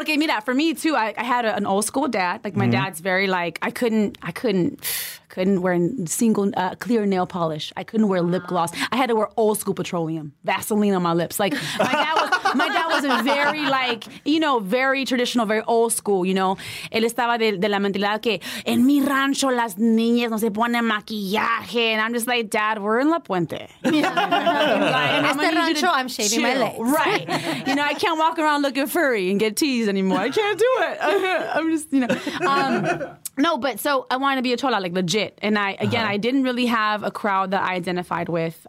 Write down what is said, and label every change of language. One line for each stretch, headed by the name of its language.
English: okay, mira, for me too, I had an old school dad. Like my mm-hmm. dad's very like, I couldn't wear a single clear nail polish. I couldn't wear lip gloss. I had to wear old school petroleum, Vaseline on my lips. Like my dad was a very like, you know, very traditional, very old school, you know.
Spanish: Él estaba de la mentalidad que en mi rancho las niñas no se ponen maquillaje.
English: And I'm just like, Dad, we're in La Puente. Yeah. In
Spanish: este rancho,
English: I'm shaving chill. My legs. Right. You know, I can't walk around looking furry and get teased anymore. I can't do it. I'm just, you know. No, but so I wanted to be a chola, like legit. And I, again, uh-huh. I didn't really have a crowd that I identified with.